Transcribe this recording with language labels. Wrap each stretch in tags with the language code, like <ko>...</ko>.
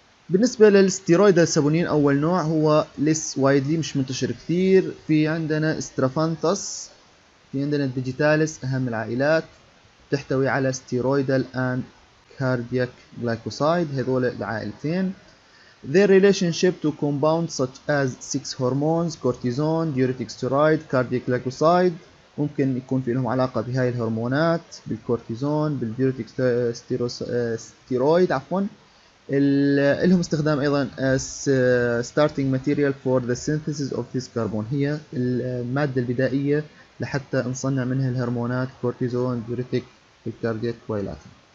<ar>بالنسبة للستيرويد السابونين أول نوع هو ليس وايدلي، مش منتشر كثير. في عندنا استرافانثس، في عندنا الديجيتاليس أهم العائلات، تحتوي على ستيرويدال أند كاردياك جلايكوسايد، هذول العائلتين.</ar> <en>Their relationship to compounds such as six hormones, cortisone, diuretic steroid, cardiac glycoside.</en> <ar>ممكن يكون في لهم علاقة بهاي الهرمونات، بالكورتيزون، بالديوريتيك ستيرويد عفوا. لهم استخدام ايضا</ar> <en>starting material for the synthesis of this carbon،</en> <ar>هي المادة البدائية لحتى نصنع منها الهرمونات كورتيزون، ديوريتيك، الكاردييك وايلاتي.</ar>